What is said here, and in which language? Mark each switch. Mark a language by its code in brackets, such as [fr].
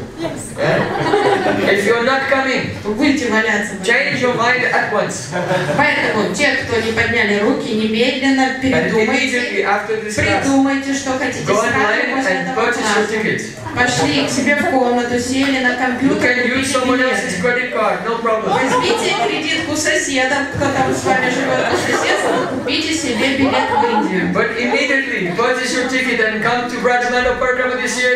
[en] If you're not coming, [ru] будете валяться. [en] Change your mind at once. [ru] Поэтому те, кто не подняли руки, немедленно придумайте, что хотите сразу после этого. Пошли к себе в комнату, сели на компьютер. [en] You can use someone else's credit card, no problem. [ru] Возьмите кредитку соседа, кто там с вами живет, соседа, купите себе билет в Индию. [en] But immediately purchase your ticket and come to Braj Mandal Parikrama this year.